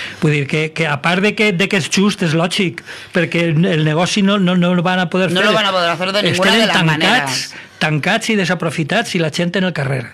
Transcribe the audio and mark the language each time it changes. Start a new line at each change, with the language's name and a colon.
Catalan: Vull dir que a part de que és just, és lògic, perquè el negoci no
Spanish: lo van a poder
Catalan: fer.
Spanish: No lo van a poder hacer de ninguna de las maneras.
Catalan: Tancats i desaprofitats i la gent en el carrer.